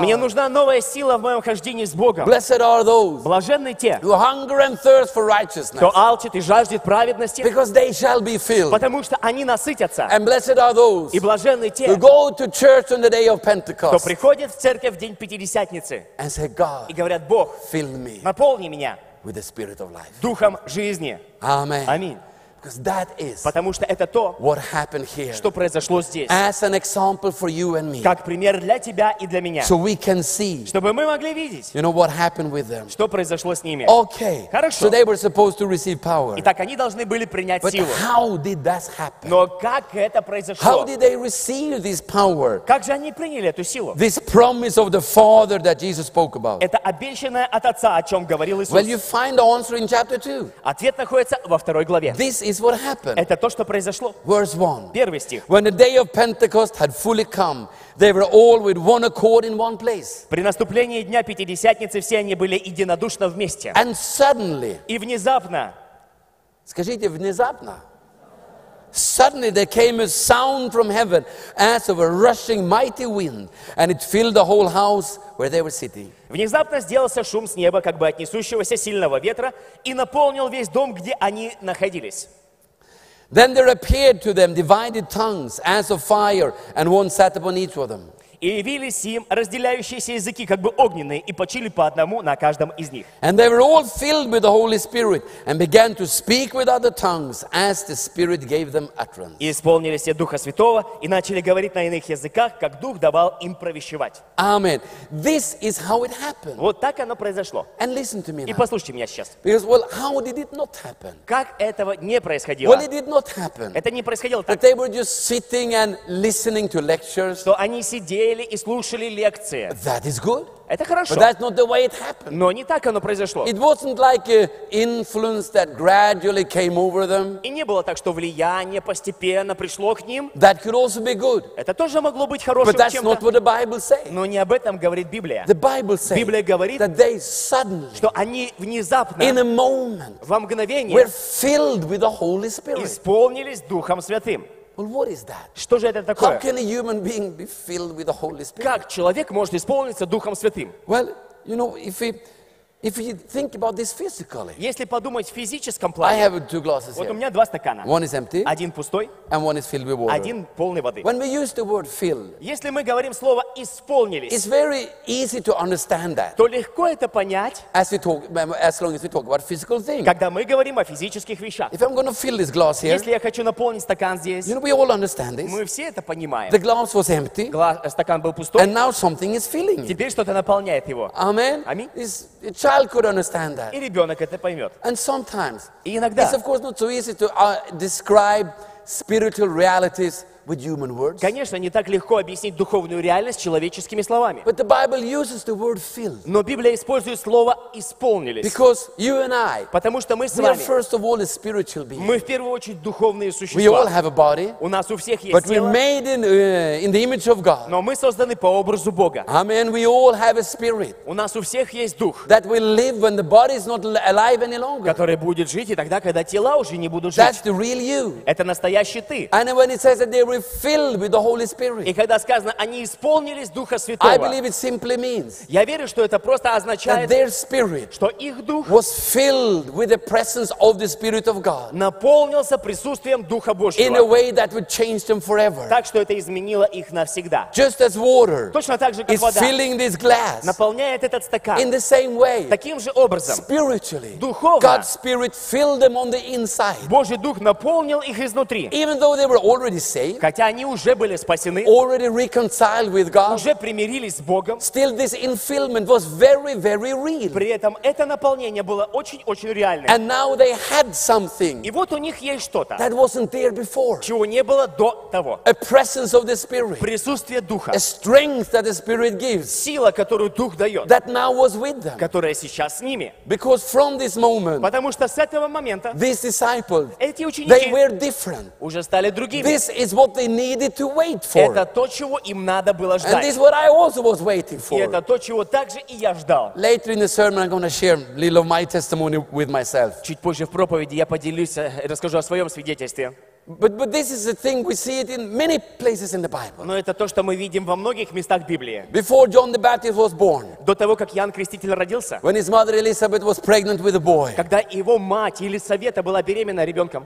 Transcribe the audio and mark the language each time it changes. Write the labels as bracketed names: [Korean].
[Russian] мне нужна новая сила в моем хождении с Богом. [English] Blessed are those, [Russian] блаженны те, [English] who hunger and thirst for righteousness, [Russian] кто алчит и жаждет праведности, [English] because they shall be filled, [Russian] потому что они насытятся. [English] And blessed are those, [Russian] и блаженны те, [English] who go to church on the day of Pentecost, [Russian] кто приходит в церковь в день Пятидесятницы, [English] and say, God, [Russian] и говорят, Бог, [English] fill me, [Russian] наполни меня [English] with the spirit of life. [Russian] Духом жизни. [English] Amen. [Russian] Аминь. [English] Because that is, [Russian] потому что это то, [English] what happened here, [Russian] что произошло здесь, [English] as an example for you and me, [Russian] как пример для тебя и для меня, [English] so we can see, [Russian] чтобы мы могли видеть, [English] you know, what happened with them, [Russian] что произошло с ними. [English] Okay. [Russian] Хорошо. [English] So they were supposed to receive power. [Russian] Итак, они должны были принять [English] but [Russian] силу. [English] How did that happen? [Russian] Но как это произошло? [English] How did they receive this power? [Russian] Как же они приняли эту силу? [English] This promise of the Father that Jesus spoke about. [Russian] Это обещанное от Отца, о чем говорил Иисус. [English] Well, you find the answer in chapter 2. [Russian] Ответ находится во второй главе. [English] This is what happened. [Russian] Это то, что произошло. [English] Verse 1. [Russian] Первый стих. [English] When the day of Pentecost had fully come, they were all with one accord in one place. [Russian] При наступлении дня Пятидесятницы все они были единодушно вместе. [English] And suddenly. [Russian] И внезапно. Скажите, внезапно. [English] Suddenly there came a sound from heaven as of a rushing mighty wind, and it filled the whole house where they were sitting. [Russian] Внезапно сделался шум с неба, как бы от несущегося сильного ветра, и наполнил весь дом, где они находились. [English] Then there appeared to them divided tongues as of fire, and one sat upon each of them. [Russian] И явились им разделяющиеся языки, как бы огненные, и почили по одному на каждом из них. [English] And they were all filled with the Holy Spirit and began to speak with other tongues as the Spirit gave them utterance. [Russian] И исполнились все Духа Святого и начали говорить на иных языках, как Дух давал им провещевать. [English] Amen. This is how it happened. [Russian] Вот так оно произошло. [English] And listen to me now. [Russian] И послушайте меня сейчас. [English] Because, well, how did it not happen? [Russian] Как этого не происходило? [English] Well, it did not happen. [Russian] Это не происходило так. [English] That they were just sitting and listening to lectures. [Russian] Что они сидели и слушали лекции. [English] That is good. [Russian] Это хорошо. [English] But that's not the way it happened. [Russian] Но не так оно произошло. [English] It wasn't like an influence that gradually came over them. [Russian] И не было так, что влияние постепенно пришло к ним. [English] That could also be good. [Russian] Это тоже могло быть хорошим чем-то. [English] But that's not what the Bible says. [Russian] Но не об этом говорит Библия. [English] The Bible says, [Russian] Библия говорит, [English] that they suddenly, [Russian] что они внезапно, [English] in a moment, [Russian] во мгновение, [English] were filled with the Holy Spirit. [Russian] Исполнились Духом Святым. [English] Well, what is that? [Russian] Что же это такое? [English] How can a human being be filled with the Holy Spirit? [Russian] Как человек может исполниться Духом Святым? [English] Well, you know, if we If you think about this physically, [Russian] если подумать в физическом плане, [English] I have two glasses [Russian] вот у меня два стакана. [English] One is empty, [Russian] один пустой, [English] and one is filled with water. [Russian] Один полный воды. [English] When we use the word fill, [Russian] если мы говорим слово «исполнились», [English] it's very easy to understand that, [Russian] то легко это понять, [English] as long as we talk about physical things. [Russian] Когда мы говорим о физических вещах. [English] If I'm going to fill this glass here, [Russian] если я хочу наполнить стакан здесь, [English] you know, we all understand this. [Russian] Мы все это понимаем. [English] The glass was empty, [Russian] стакан был пустой, [English] and now something is filling it. [Russian] Теперь что-то наполняет его. [English] Amen. [Russian] Аминь. [English] Child could understand that. [Russian] И ребенок это поймет. [English] And sometimes, [Russian] и иногда, [English] it's of course not so easy to describe spiritual realities with human words. [Russian] Конечно, не так легко объяснить духовную реальность человеческими словами. [English] But the Bible uses the word filled. [Russian] Но Библия использует слово исполнились. [English] Because you and I, [Russian] потому что мы с [English] we [Russian] вами, [English] are first of all a spiritual being. [Russian] Мы в первую очередь духовные существа. [English] We all have a body. [Russian] У нас у всех есть [English] but [Russian] тело. [English] But we're made in the image of God. [Russian] Но мы созданы по образу Бога. [English] Amen. We all have a spirit. [Russian] У нас у всех есть дух. [English] That will live when the body is not alive any longer. [Russian] Который будет жить и тогда, когда тела уже не будут жить. [English] That's the real you. [Russian] Это настоящий ты. [English] And when it says that they filled with the Holy Spirit. [Russian] И когда сказано, они исполнились Духа Святого. [English] I believe it simply means. [Russian] Я верю, что это просто означает, [English] that their spirit, [Russian] что их дух [English] was filled with the presence of the Spirit of God. [Russian] Наполнился присутствием Духа Божьего. [English] In a way that would change them forever. [Russian] Так что это изменило их навсегда. [English] Just as water, [Russian] точно так же, как [English] is [Russian] вода, [English] filling this glass, [Russian] наполняет этот стакан. [English] In the same way, [Russian] таким же образом, [English] spiritually, [Russian] духовно, [English] God's Spirit filled them on the inside. [Russian] Божий дух наполнил их изнутри. [English] Even though they were already saved. [Russian] Хотя они уже были спасены, [English] already reconciled with God, [Russian] уже примирились с Богом, [English] still this infillment was very, very real. [Russian] При этом это наполнение было очень-очень реальным. [English] And now they had something, [Russian] и вот у них есть что-то, [English] that wasn't there before, [Russian] чего не было до того. [English] A presence of the Spirit, [Russian] присутствие Духа, [English] a strength that the Spirit gives, [Russian] сила, которую Дух дает, [English] that now was with them, [Russian] которая сейчас с ними. [English] Because from this moment, [Russian] потому что с этого момента, [English] these disciples, [Russian] эти ученики, [English] they were different, [Russian] уже стали другими. [English] This is what they needed to wait for. [Russian] Это то, чего им надо было ждать. [English] And this is what I also was waiting for. [Russian] И это то, чего также и я ждал. [English] Later in the sermon, I'm going to share a little of my testimony with myself. [Russian] Чуть позже в проповеди я поделюсь, расскажу о своем свидетельстве. [English] But this is the thing we see it in many places in the Bible. [Russian] Но это то, что мы видим во многих местах Библии. [English] Before John the Baptist was born. [Russian] До того, как Иоанн Креститель родился. [English] When his mother Elizabeth was pregnant with a boy. [Russian] Когда его мать Елисавета была беременна ребенком.